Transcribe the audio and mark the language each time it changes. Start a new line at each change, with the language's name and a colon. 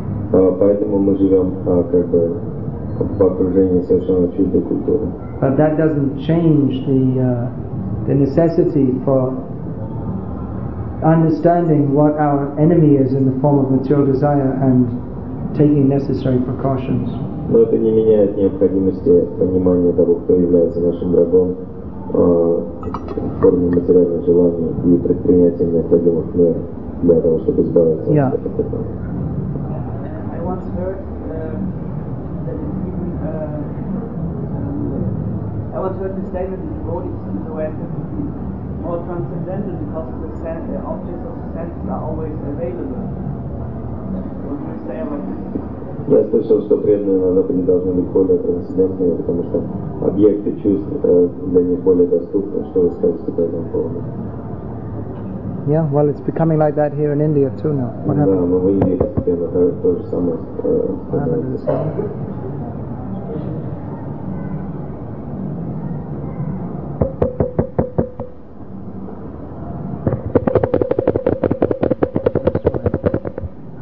Russian: Поэтому мы живем как бы в окружении совершенно чуждой культуры.
English: But that doesn't change the necessity for understanding what our enemy is in the form of material desire and taking necessary precautions.
Russian: Но это не меняет необходимости понимания того, кто является нашим врагом. В форме материального желания и предпринятия необходимых мер для того, чтобы избавиться от этого.
English: I once heard the statement that devotees in the West have to be more transcendental because of the sense, the objects of sense are always available. What do you say about this?
Russian: Я слышал, что преданные на Западе должны быть более трансцендентными, потому что объекты чувств для них более доступны. Что вы скажете по этому поводу?
English: Yeah, well, it's becoming like that here in India too now. What happened? Yeah, well, we have heard those summers.